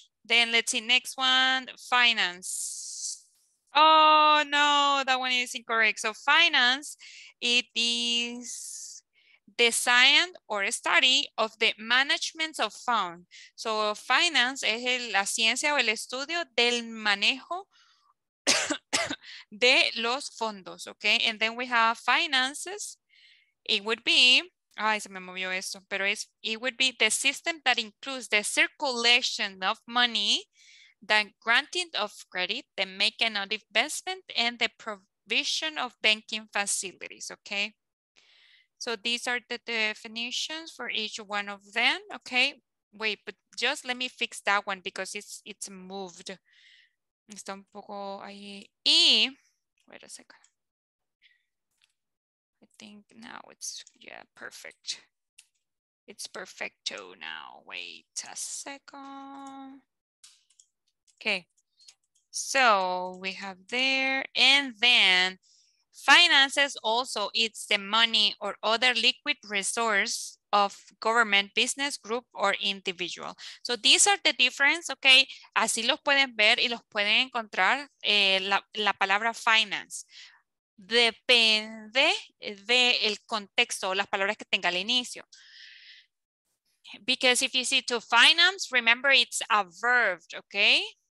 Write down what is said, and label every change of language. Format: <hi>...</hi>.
<en>Then let's see, next one, finance. Oh no, that one is incorrect. So finance, it is design or study of the management of funds.</en> <es>So finance es la ciencia o el estudio del manejo de los fondos, okay?</es> <en>And then we have finances. It would be,</en> <es>ay, se me movió eso, pero es,</es> <en>it would be the system that includes the circulation of money, the granting of credit, the making of investment, and the provision of banking facilities, okay? So these are the definitions for each one of them, okay? Wait, but just let me fix that one because it's moved.</en> <es>Está un poco ahí. Y,</es> <en>wait a second. I think now it's, yeah, perfect. It's perfecto now. Wait a second. Okay. So we have there and then. Finances also, it's the money or other liquid resource of government, business, group, or individual. So these are the difference, okay?</en> <es>Así los pueden ver y los pueden encontrar la palabra finance. Depende del contexto, las palabras que tenga al inicio.</es> <en>Because if you see to finance, remember it's a verb, okay?</en>